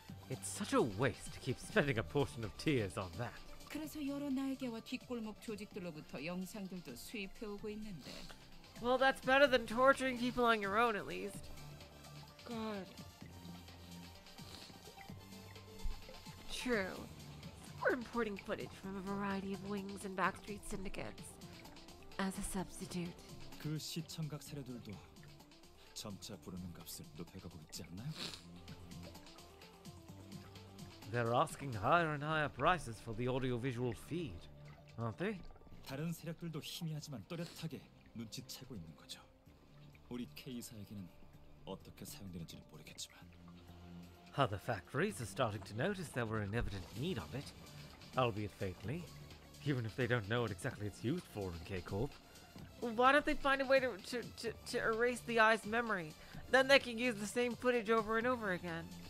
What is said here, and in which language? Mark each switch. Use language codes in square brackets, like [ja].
[en] It's such a waste to keep spending a portion of tears on that. [ko] 그래서 여러 날개와 뒷골목 조직들로부터 영상들도 수입해 오고 있는데. [en] Well, that's better than torturing people on your own, at least. God. True. We're importing footage from a variety of wings and backstreet syndicates as a substitute. [ko] 그 시청각 세력들도 점차 부르는 값을 높여가고 있지 않나요? [en] They're asking higher and higher prices for the audiovisual feed, aren't they? [ko] 다른 세력들도 희미하지만 또렷하게 눈치채고 있는 거죠. 우리 K사에게는 어떻게 사용되는지는 모르겠지만. [en] Other factories are starting to notice there were an evident need of it, albeit faintly, even if they don't know what exactly it's used for in K-Corp. Why don't they find a way to erase the eye's memory? Then they can use the same footage over and over again.